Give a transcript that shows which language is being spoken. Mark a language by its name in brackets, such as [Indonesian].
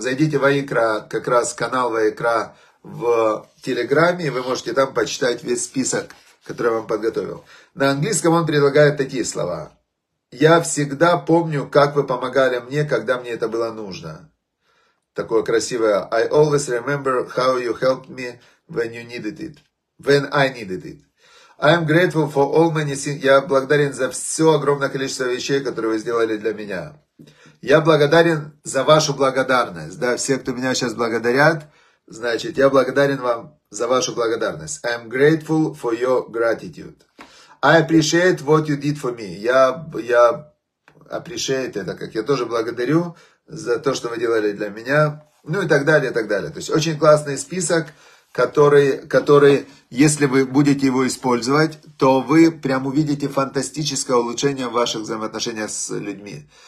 [Russian] Зайдите в Ваикра, как раз канал Ваикра в Телеграме, и вы можете там почитать весь список, который я вам подготовил. На английском он предлагает такие слова. Я всегда помню, как вы помогали мне, когда мне это было нужно. Такое красивое. [English] I always remember how you helped me when you needed it. When I needed it. I am grateful for all many things. [Russian] Я благодарен за все огромное количество вещей, которые вы сделали для меня. Я благодарен за вашу благодарность. Да, все, кто меня сейчас благодарят, значит, я благодарен вам за вашу благодарность. [English] I am grateful for your gratitude. I appreciate what you did for me. [Russian] Я appreciate это, как я тоже благодарю за то, что вы делали для меня. Ну и так далее, и так далее. То есть очень классный список, который, если вы будете его использовать, то вы прям увидите фантастическое улучшение в ваших взаимоотношениях с людьми.